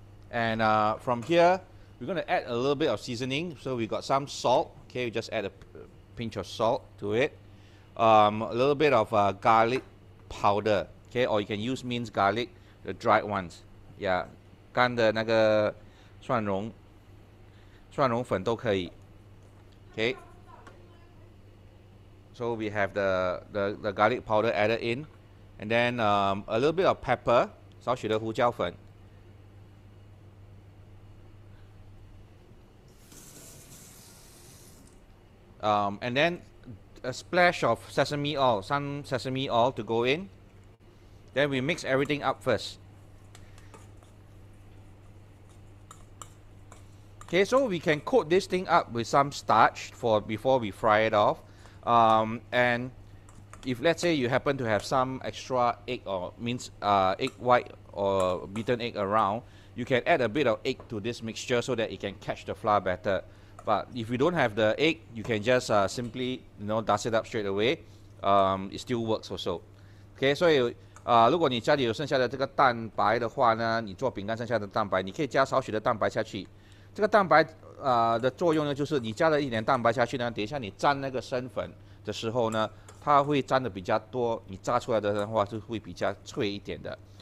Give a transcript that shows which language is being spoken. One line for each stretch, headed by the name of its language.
English: And from here, we're going to add a little bit of seasoning. So we got some salt. Okay, we just add a pinch of salt to it. A little bit of garlic powder. Okay, or you can use minced garlic, the dried ones. Yeah.
Chinese: 干的那个蒜蓉粉都可以。
English: Okay. So we have the garlic powder added in. And then a little bit of pepper,
Chinese: 少许的胡椒粉。
English: And then a splash of sesame oil, some sesame oil to go in. Then we mix everything up first. Okay, so we can coat this thing up with some starch before we fry it off. And if let's say you happen to have some extra egg or egg white or beaten egg around, you can add a bit of egg to this mixture so that it can catch the flour better. But if you don't have the egg, you can just simply, you know, dust it up straight away. It still works also. Okay, so
Chinese: 如果你家里有剩下的这个蛋白的话呢，你做饼干剩下的蛋白，你可以加少许的蛋白下去。这个蛋白的作用呢，就是你加了一点蛋白下去呢，等一下你沾那个生粉的时候呢，它会沾的比较多，你炸出来的话就会比较脆一点的。